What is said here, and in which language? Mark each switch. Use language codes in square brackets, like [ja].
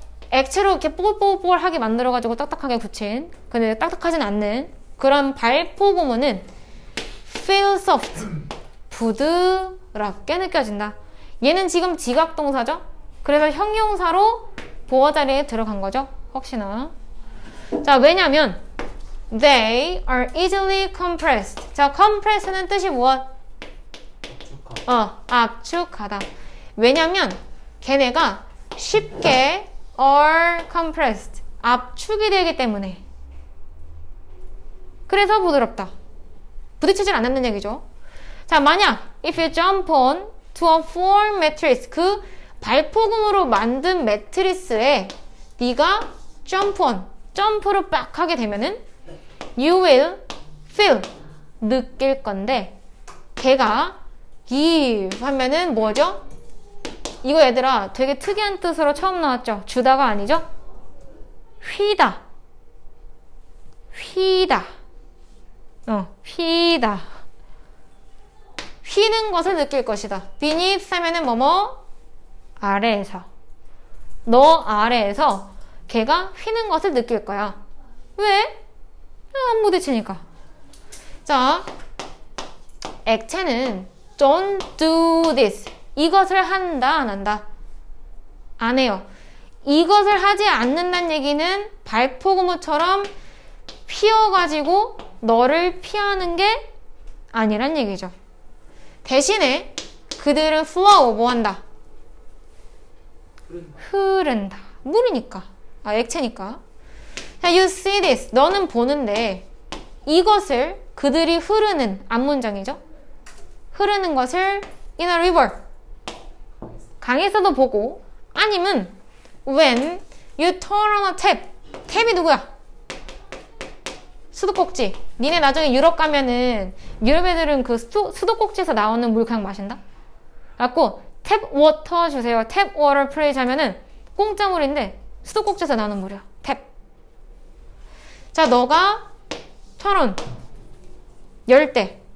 [ko] 액체로 이렇게 뽀글뽀글하게 만들어가지고 딱딱하게 굳힌, 근데 딱딱하진 않는 그런 발포고무는 [en] feel soft, [ko] 부드럽게 느껴진다. 얘는 지금 지각동사죠? 그래서 형용사로 보호자리에 들어간 거죠. 혹시나. 자, 왜냐면 [en] they are easily compressed. [ko] 자, compressed는 뜻이 무엇? 압축하다. 왜냐면 걔네가 쉽게 [en] are compressed. [ko] 압축이 되기 때문에. 그래서 부드럽다. 부딪히질 않는 얘기죠. 자, 만약, [en] if you jump on to a foam mattress, [ko] 그 발포금으로 만든 매트리스에 네가 [en] jump on, [ko] 점프를 빡 하게 되면은 [en] you will feel, [ko] 느낄 건데, 걔가 give 하면은 뭐죠? 이거 얘들아, 되게 특이한 뜻으로 처음 나왔죠? 주다가 아니죠? 휘다. 휘다. 휘다. 휘는 것을 느낄 것이다. beneath 하면은 뭐뭐? 아래에서. 너 아래에서 걔가 휘는 것을 느낄 거야. 왜? 안 부딪히니까. 자, 액체는 [en] don't do this. [ko] 이것을 한다, 안 한다? 안 해요. 이것을 하지 않는다는 얘기는 발포고무처럼 휘어가지고 너를 피하는 게 아니란 얘기죠. 대신에 그들은 flow, 뭐 한다? 흐른다. 물이니까. 아, 액체니까. 자, [en] you see this. [ko] 너는 보는데 이것을 그들이 흐르는, 앞문장이죠? 흐르는 것을 [en] in a river. [ko] 강에서도 보고 아니면 [en] when you turn on a tap. [ko] 탭이 누구야? 수도꼭지. 니네 나중에 유럽 가면은 유럽 애들은 그 수도꼭지에서 나오는 물 그냥 마신다? 갖고 탭 워터 주세요. 탭 워터 플레이 하면은 공짜 물인데 수도꼭지에서 나오는 물이야. 탭. 자, 너가 [en] turn on [ko] 열 때.